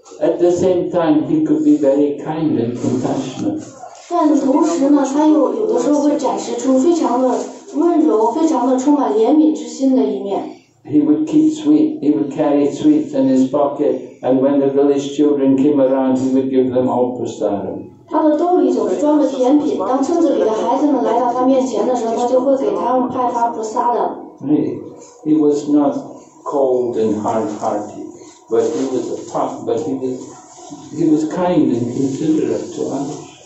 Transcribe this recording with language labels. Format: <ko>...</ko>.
<en>At the same time, he could be very kind and compassionate.</en> <zh>但同时呢，他又有的时候会展示出非常的温柔，非常的充满怜悯之心的一面。</zh> <en>He would keep sweet. He would carry sweets in his pocket, and when the village children came around, he would give them all prasadam.</en> <zh>他的兜里总是装着甜品。当村子里的孩子们来到他面前的时候，他就会给他们派发prasadam。</zh> <en>He was not cold and hard-hearted, but he was a tough. But he was kind and considerate to others.</en>